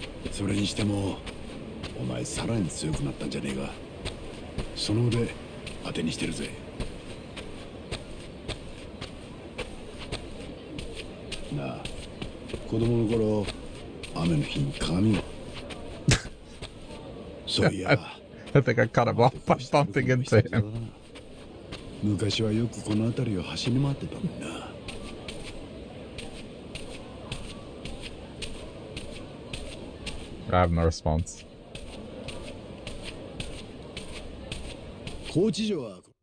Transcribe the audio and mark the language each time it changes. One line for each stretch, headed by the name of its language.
Japanese: それにしても、お前さらに強くなったんじゃねえか。その腕、当てにしてるぜ。なあ、子供の頃、雨の日に鏡を。そういや。
English: I think I cut him off by bumping into him.
Japanese: 昔はよくこの辺りを走り回ってたもんな。
English: I have no response.
Japanese: 高知城は。